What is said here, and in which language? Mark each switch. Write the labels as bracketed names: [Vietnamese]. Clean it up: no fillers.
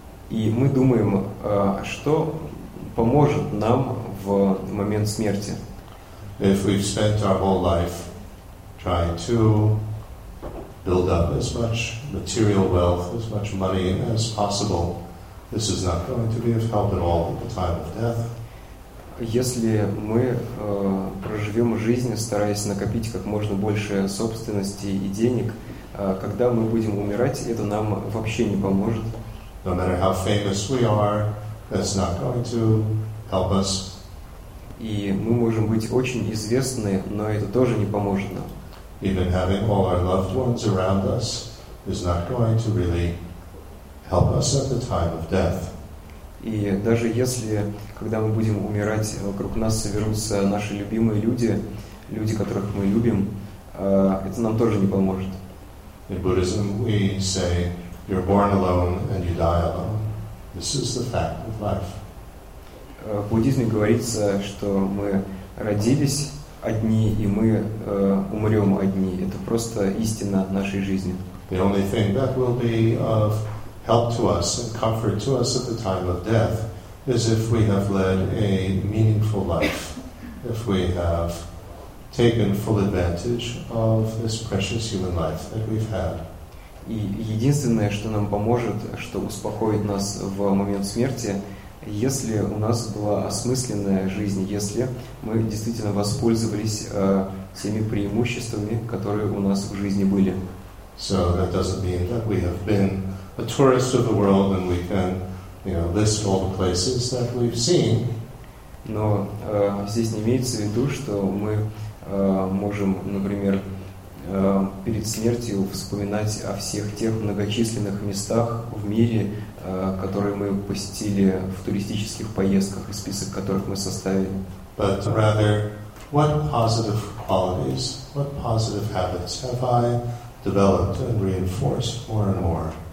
[Russian] И мы думаем, что поможет нам в момент смерти. [English] If we've spent our whole life trying to build up as much material wealth, as much money as possible, this is not going to be of help at all at the time of death. [Russian] Если мы проживем жизнь, стараясь накопить как можно больше собственности и денег, когда мы будем умирать, это нам вообще не поможет. [English] No matter how famous we are, that's not going to help us. [Russian] И мы можем быть очень известны, но это тоже не поможет нам. [English] Even having all our loved ones around us is not going to really help us at the time of death. [Russian] И даже если, когда мы будем умирать, вокруг нас соберутся наши любимые люди, люди, которых мы любим, это нам тоже не поможет. [English] In Buddhism we say, you're born alone and you die alone. This is the fact of life. [Russian] В буддизме говорится, что мы родились одни, и мы умрем одни. Это просто истина нашей жизни. [English] The only thing that will be of help to us and comfort to us at the time of death is if we have led a meaningful life, if we have taken full advantage of this precious human life that we've had. [Russian] И единственное, что нам поможет, что успокоит нас в момент смерти, если у нас была осмысленная жизнь, если мы действительно воспользовались теми преимуществами, которые у нас в жизни были. [English] So that doesn't mean that we have been a tourist of the world and we can, you know, list all the places that we've seen. [Russian] Но здесь не имеется в виду, что мы можем, например, перед смертью вспоминать о всех тех многочисленных местах в мире, которые мы посетили в туристических поездках и список которых мы составили. [English] But rather, what positive qualities, what positive habits have I developed and reinforced more and more?